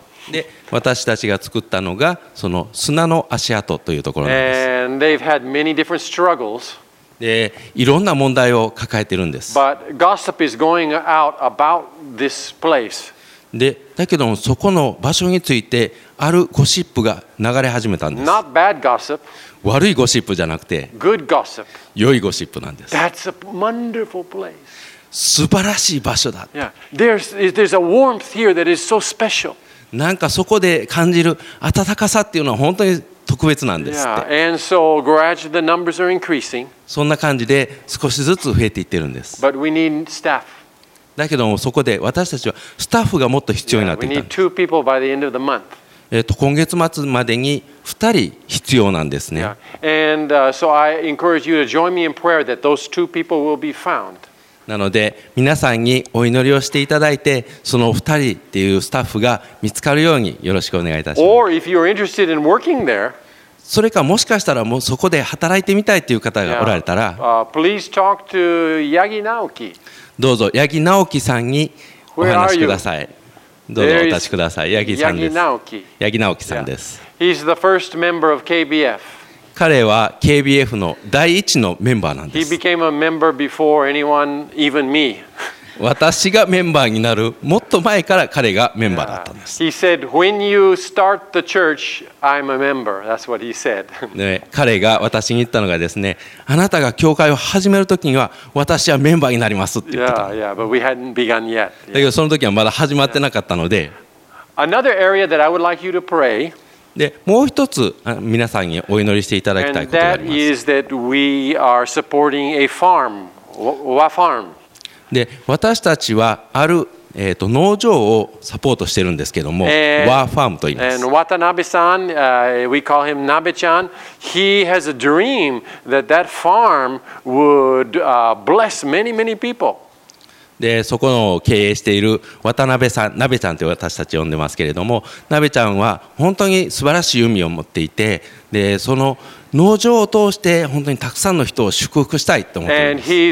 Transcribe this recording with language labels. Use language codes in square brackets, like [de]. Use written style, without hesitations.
[ja] で私たちが作ったのがその砂の足跡というところなんです。 [en] And they've had many different struggles. [ja] でいろんな問題を抱えているんです。 [en] But gossip is going out about this place. [ja] でだけどもそこの場所についてあるゴシップが流れ始めたんです。 [en] Not bad gossip. [ja] 悪いゴシップじゃなくて良いゴシップなんです。 [en] That's a wonderful place. [ja] 素晴らしい場所だ。 [en] Yeah. There's a warmth here that is so special. [ja] なんかそこで感じる温かさっていうのは本当に特別なんですって。 [en] Yeah. And so gradually the numbers are increasing. [ja] そんな感じで少しずつ増えていってるんです。 [en] But we need staff. [ja] だけどもそこで私たちはスタッフがもっと必要になってきた。 [en] We need two people by the end of the month. [ja] 今月末までに2人必要なんですね。 [en] And so I encourage you to join me in prayer that those two people will be found. [ja] なので皆さんにお祈りをしていただいて、その2人っていうスタッフが見つかるようによろしくお願いいたします。 [en] Or if you're interested in working there. [ja] それかもしかしたらもうそこで働いてみたいという方がおられたら、 [en] Please talk to Yagi Naoki. [ja] どうぞ八木直樹さんにお話しください。どうぞお立ちください。八木直樹さんです。 [en] He's the first member of KBF. [ja] 彼は KBF の第一のメンバーなんです。 [en] He became a member before anyone, even me. [ja] 私がメンバーになるもっと前から彼がメンバーだったんです。 [en] He said, when you start the church, I'm a member. That's what he said. [ja] 彼が私に言ったのがですね、あなたが教会を始めるときには私はメンバーになりますって言った。 [en] Yeah, but we hadn't begun yet. [ja] だけどその時はまだ始まってなかったので。 [en] Another area that I would like you to pray. [ja] で、もう一つ皆さんにお祈りしていただきたいことがあります。 [en] And that is that we are supporting a farm, a farm. [ja] で私たちはある、農場をサポートしているんですけども、ワーファームと言います。 [en] And Watanabe-san, we call him Nabe-chan. He has a dream that that farm would bless many, many people. [ja] でそこの経営している渡辺さん、ナベちゃんって私たち呼んでますけれども、ナベちゃんは本当に素晴らしい夢を持っていて、でその農場を通して本当にたくさんの人を祝福したいと思っています。